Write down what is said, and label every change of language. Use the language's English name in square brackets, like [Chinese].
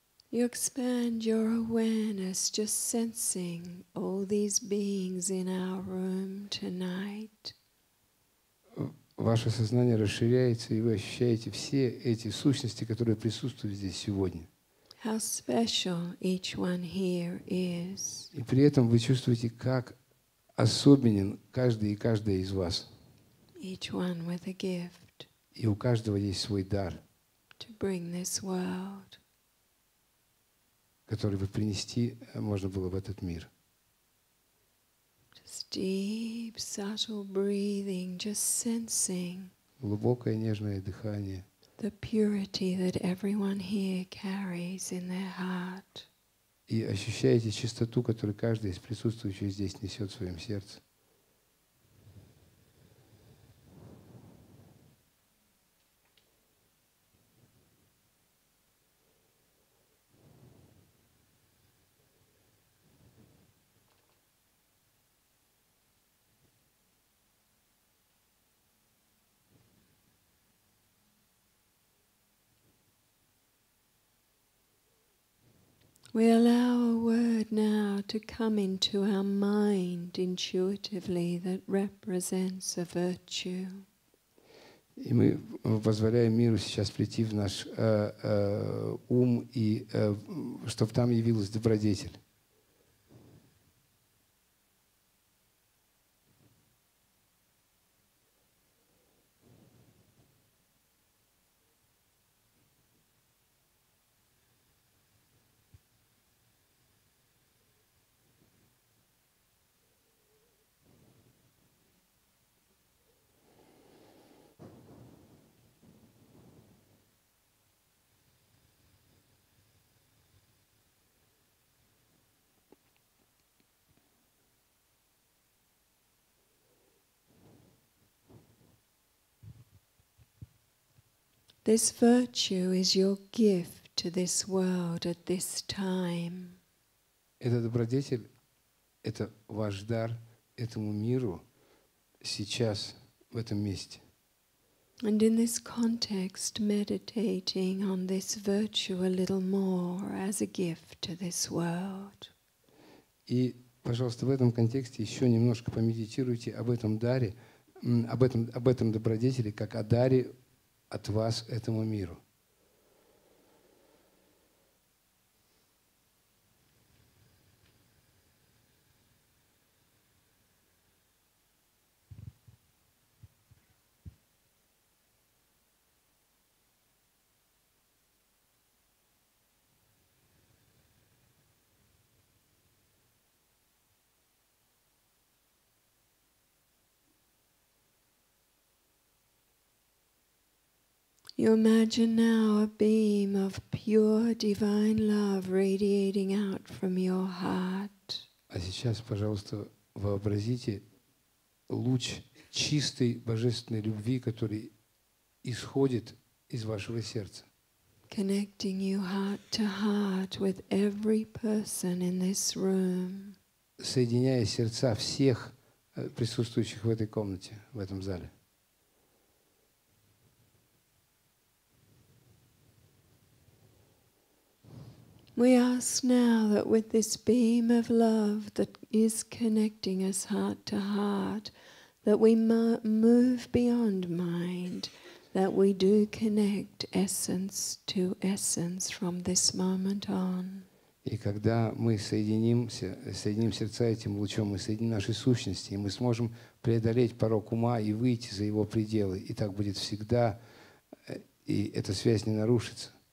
[English] You expand your awareness, just sensing all these beings in our room tonight. [Russian] Ваше сознание расширяется, и вы ощущаете все эти сущности, которые присутствуют здесь сегодня. [English] How special each one here is. [Russian] И при этом вы чувствуете, как особенен каждый и каждая из вас. [English] Each one with a gift. [Russian] И у каждого есть свой дар. [English] To bring this world. [Russian] Который бы принести можно было в этот мир. [English] Just deep, subtle breathing, just sensing [Russian] глубокое нежное дыхание. [English] The purity that everyone here carries in their heart. [Russian] И ощущаете чистоту, которую каждый из присутствующих здесь несет в своем сердце. [English] We allow a word now to come into our mind intuitively that represents a virtue. [Russian] И мы позволяем миру сейчас прийти в наш ум и чтобы там явилась добродетель. [English] This virtue is your gift to this world at this time. [Russian] Эта добродетель — это ваш дар этому миру сейчас, в этом месте. [English] And in this context, meditating on this virtue a little more as a gift to this world. [Russian] И, пожалуйста, в этом контексте еще немножко помедитируйте об этом даре, об этом добродетели, как о даре от вас этому миру. [English] You imagine now a beam of pure divine love radiating out from your heart. [Russian] А сейчас, пожалуйста, вообразите луч чистой божественной любви, который исходит из вашего сердца. [English] Connecting you heart to heart with every person in this room. [Russian] Соединяя сердца всех присутствующих в этой комнате, в этом зале. [English] We ask now that with this beam of love that is connecting us heart to heart, that we move beyond mind, that we do connect essence to essence from this moment on. [Russian] И когда мы соединим сердца этим лучом, мы соединим наши сущности, и мы сможем преодолеть порог ума и выйти за его пределы, и так будет всегда, и эта связь не нарушится.